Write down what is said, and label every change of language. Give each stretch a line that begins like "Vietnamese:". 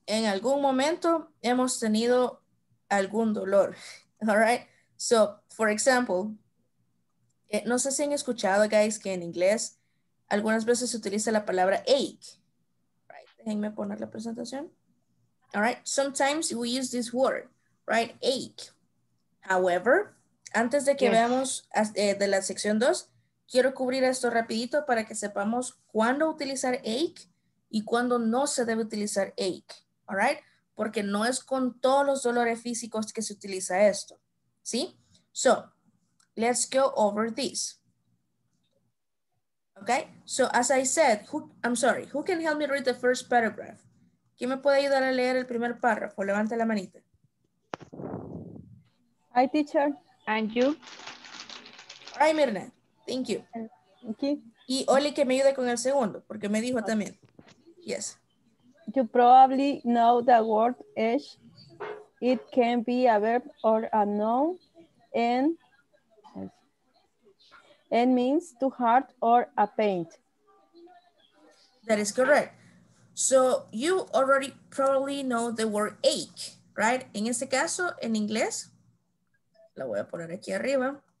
Spanish: En algún momento hemos tenido algún dolor, all right?
English: So, for example,
Spanish: no sé si han escuchado, guys, que en inglés algunas veces se utiliza la palabra ache, right? Déjenme poner la presentación.
English: All right, sometimes we use this word, right? Ache.
Spanish: However, antes de que veamos de la sección 2, quiero cubrir esto rapidito para que sepamos cuándo utilizar ache y cuándo no se debe utilizar ache, all right? Porque no es con todos los dolores físicos que se utiliza esto, ¿sí?
English: So, let's go over this. Okay? So, as I said, who can help me read the first paragraph?
Spanish: ¿Quién me puede ayudar a leer el primer párrafo? Levante la manita.
English: Hi, teacher. And you? Hi, Mirna. Thank you. Okay.
Spanish: Y Oli, que me ayude con el segundo, porque me dijo también.
English: Yes. You probably know the word ache. It can be a verb or a noun. And means to hurt or a pain. That is correct. So you already probably know the word ache, right?
Spanish: En este caso, en inglés, la voy a poner aquí arriba.